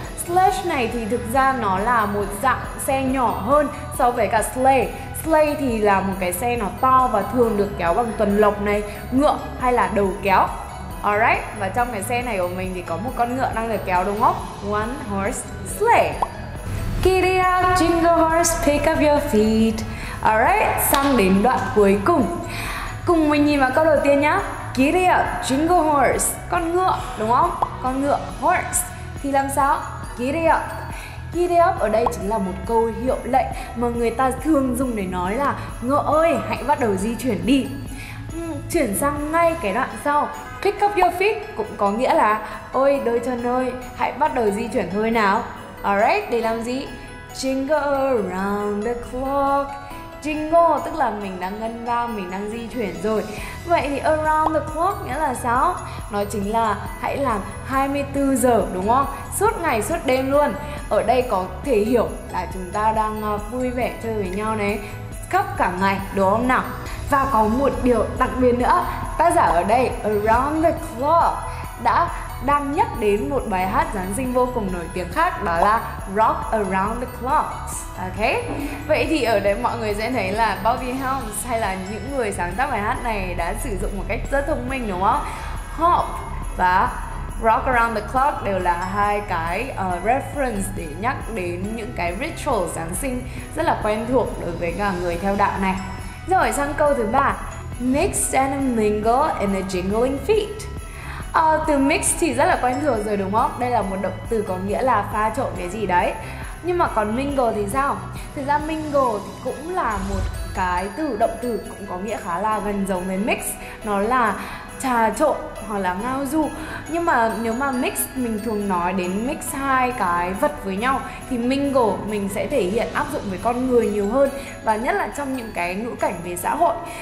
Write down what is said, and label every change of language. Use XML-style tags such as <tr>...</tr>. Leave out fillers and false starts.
<vi>Sledge này thì thực ra nó là một dạng xe nhỏ hơn so với cả sleigh. Sleigh thì là một cái xe nó to và thường được kéo bằng tuần lộc này, ngựa hay là đầu kéo. Alright, và trong cái xe này của mình thì có một con ngựa đang được kéo, đúng không?</vi> <en>One horse sleigh. Giddy up, jingle horse, pick up your feet.</en> <vi>Alright, sang đến đoạn cuối cùng. Cùng mình nhìn vào câu đầu tiên nhá.</vi> <en>Giddy up, jingle horse,</en> <vi>con ngựa, đúng không? Con ngựa, horse. Thì làm sao?</vi> <en>Giddy up.</en> <vi>Giddy up ở đây chính là một câu hiệu lệnh mà người ta thường dùng để nói là ngựa ơi, hãy bắt đầu di chuyển đi. Chuyển sang ngay cái đoạn sau,</vi> <en>pick up your feet</en> <vi>cũng có nghĩa là ôi đôi chân ơi, hãy bắt đầu di chuyển thôi nào. Alright, để làm gì?</vi> <en>Jingle around the clock.</en> <vi>Jingle tức là mình đang ngân vang, mình đang di chuyển rồi. Vậy thì</vi> <en>around the clock</en> <vi>nghĩa là sao? Nó chính là hãy làm 24 giờ, đúng không? Suốt ngày, suốt đêm luôn. Ở đây có thể hiểu là chúng ta đang vui vẻ chơi với nhau đấy, khắp cả ngày, đúng không nào? Và có một điều đặc biệt nữa, tác giả ở đây,</vi> <en>around the clock,</en> <vi>đã đang nhắc đến một bài hát Giáng sinh vô cùng nổi tiếng khác, đó là Rock Around the Clock. Ok, vậy thì ở đây mọi người sẽ thấy là Bobby Helms hay là những người sáng tác bài hát này đã sử dụng một cách rất thông minh, đúng không? Hop và Rock Around the Clock đều là hai cái reference để nhắc đến những cái ritual Giáng sinh rất là quen thuộc đối với cả người theo đạo này. Rồi sang câu thứ 3.</vi> <en>Mixed and mingle in a jingling feet.</en> <vi>Từ mix thì rất là quen thuộc rồi, đúng không? Đây là một động từ có nghĩa là pha trộn cái gì đấy. Nhưng mà còn mingle thì sao? Thực ra mingle thì cũng là một cái từ động từ cũng có nghĩa khá là gần giống với mix. Nó là trà trộn hoặc là ngao du. Nhưng mà nếu mà mix, mình thường nói đến mix hai cái vật với nhau, thì mingle mình sẽ thể hiện áp dụng với con người nhiều hơn, và nhất là trong những cái ngữ cảnh về xã hội.</vi>